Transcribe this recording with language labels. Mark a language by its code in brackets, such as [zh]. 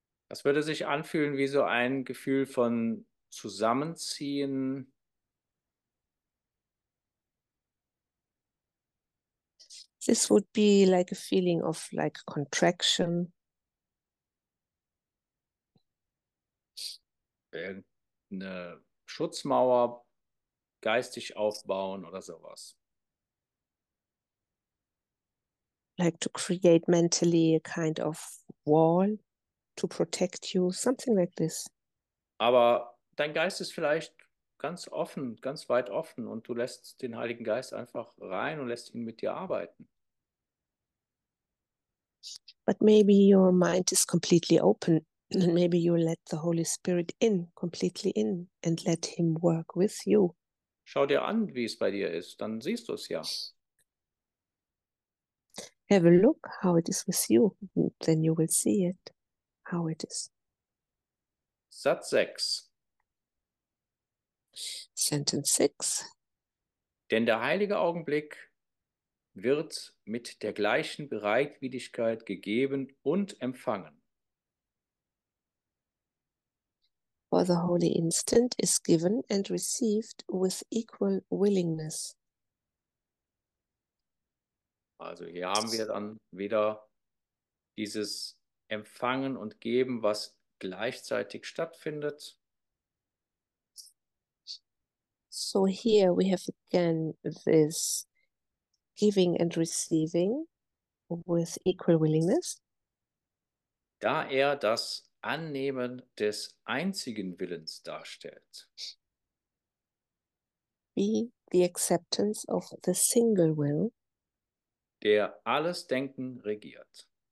[de] Das würde sich anfühlen wie so ein Gefühl von Zusammenziehen. [en] This would be like a feeling of like contraction. [de] Eine Schutzmauer geistig aufbauen oder sowas. [en] Like to create mentally a kind of wall to protect you, something like this. [de] Aber dein Geist ist vielleicht ganz offen, ganz weit offen und du lässt den Heiligen Geist einfach rein und lässt ihn mit dir arbeiten. [en] But maybe your mind is completely open. And maybe you let the Holy Spirit in, completely in, and let him work with you. [de] Schau dir an, wie es bei dir ist, dann siehst du es ja. [en] Have a look how it is with you, then you will see it, how it is. [de] Satz 6. [en] Sentence 6. [de] Denn der heilige Augenblick wird mit der gleichen Bereitwilligkeit gegeben und empfangen. [en] For the holy instant is given and received with equal willingness. [de] Also hier haben wir dann wieder dieses Empfangen und Geben, was gleichzeitig stattfindet. [en] So here we have again this giving and receiving with equal willingness. [de] Da er das Annehmen des einzigen Willens darstellt. Wie [en] the acceptance of the single will, [de] der alles Denken regiert.